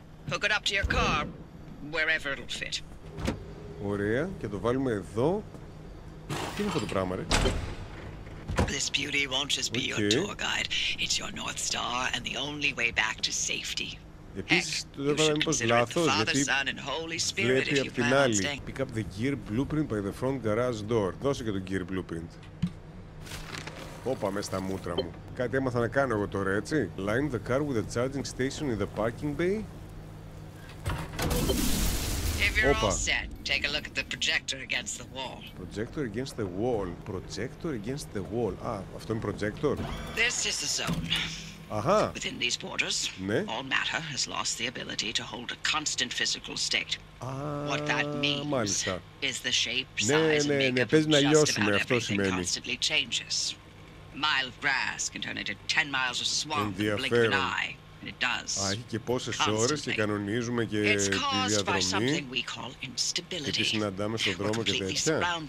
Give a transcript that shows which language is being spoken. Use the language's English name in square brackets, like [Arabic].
[English] Hook it up to your car, wherever it'll fit. [Greek] Ωραία, και το βάλουμε εδώ. Τι είναι αυτό το πράγμα, ρε. [English] This beauty won't just be okay. Your tour guide. It's your North Star and the only way back to safety. [Greek] Επίσης, το έβαλα μήπως λάθος, γιατί βλέπει απ' την άλλη. [English] Pick up the gear blueprint by the front garage door. [Greek] Δώσε και το gear blueprint. Όπα, μέσα στα μούτρα μου. Κάτι έμαθα να κάνω εγώ τώρα, έτσι. [English] Line the car with the charging station in the parking bay. [Greek] Όπα. [English] Take a look at the projector against the wall. Projector against the wall. Projector against the wall. [Greek] Α, αυτό είναι projector. [English] This is the zone. Αχα. Within these borders, ναι. All matter has lost the ability to hold a constant physical state. Α, what that means, μάλιστα. Is the shape, size, ναι, and makeup just about everything σημαίνει. Constantly changes. A mile of grass can turn into 10 miles of swamp in a blink of an eye. [Greek] Α, έχει και πόσες ώρες και κανονίζουμε και τη διαδρομή και τη συναντάμε στον δρόμο και τέτοια.